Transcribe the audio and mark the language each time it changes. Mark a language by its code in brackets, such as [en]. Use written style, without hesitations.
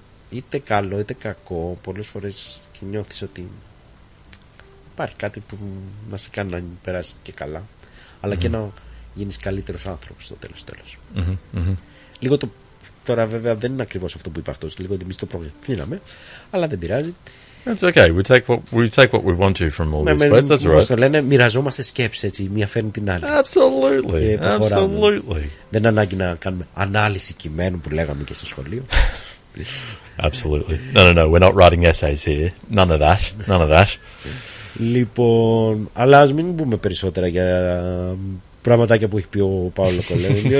[el] Είτε καλό είτε κακό, πολλές φορές και νιώθεις ότι υπάρχει κάτι που να σε κάνει να περάσει και καλά, αλλά και να γίνεις καλύτερος άνθρωπος στο τέλος. Λίγο το, τώρα βέβαια δεν είναι ακριβώς αυτό που είπε αυτός, λίγο ότι εμείς το προβληθήναμε, αλλά δεν πειράζει. [en] That's okay, we take what we want to from all these words, that's right. [el] Όπως λένε, μοιραζόμαστε σκέψεις, έτσι, μία φέρνει την άλλη. [en] Absolutely, absolutely. [el] Δεν ανάγκη να κάνουμε ανάλυση κειμένου που λέγαμε και στο σχολείο. [en] Absolutely. No, we're not writing essays here. None of that. [el] Λοιπόν, αλλά ας μην πούμε περισσότερα για πραγματάκια που έχει πει ο Παύλο Κολέμιο.